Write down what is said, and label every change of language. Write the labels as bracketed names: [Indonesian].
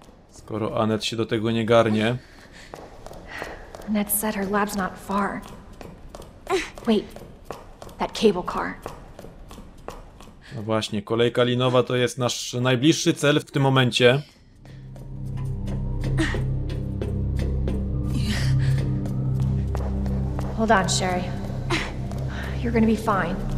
[Polish] Skoro Annette się do tego nie garnie. [English] Annette said her lab's not far. Wait, that cable car. [Polish] No właśnie, kolejka linowa to jest nasz najbliższy cel w tym momencie. [English] Hold on, Sherry. You're gonna be fine.